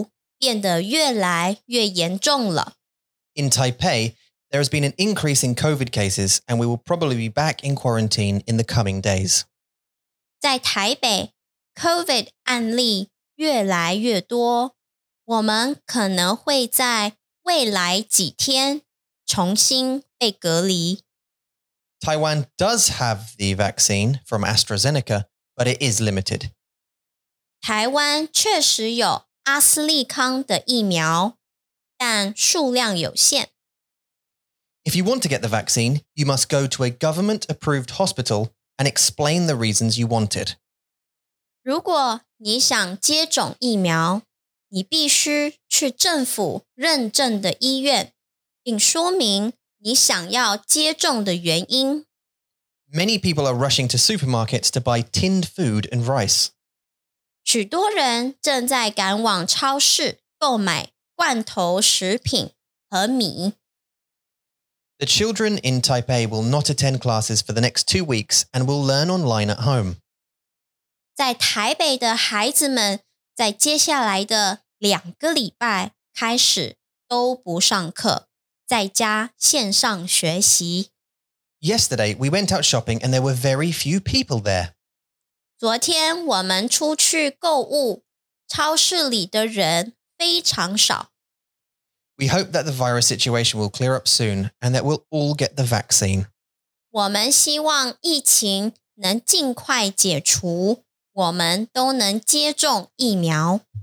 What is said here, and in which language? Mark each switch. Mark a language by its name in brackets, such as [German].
[Chinese] 台湾的病毒变得越来越严重了。 [English] In Taipei, there has been an increase in COVID cases and we will probably be back in quarantine in the coming days. [Chinese] 在台北, COVID案例越来越多。我们可能会在未来几天重新被隔离。 [English] Taiwan does have the vaccine from AstraZeneca, but it is limited. [Chinese] 台湾确实有阿斯利康的疫苗。但数量有限。 [English] If you want to get the vaccine, you must go to a government-approved hospital and explain the reasons you want it. [Chinese] 如果你想接种疫苗, 你必须去政府认证的医院，并说明你想要接种的原因。 [English] Many people are rushing to supermarkets to buy tinned food and rice. [Chinese] 许多人正在赶往超市购买罐头食品和米。 [English] The children in Taipei will not attend classes for the next 2 weeks and will learn online at home. [Chinese] 在台北的孩子们在接下来的两个礼拜开始都不上课，在家线上学习。 [English] Yesterday, we went out shopping and there were very few people there. [Chinese] 昨天我们出去购物，超市里的人非常少。 [English] We hope that the virus situation will clear up soon and that we'll all get the vaccine. [Chinese] 我们希望疫情能尽快解除，我们都能接种疫苗。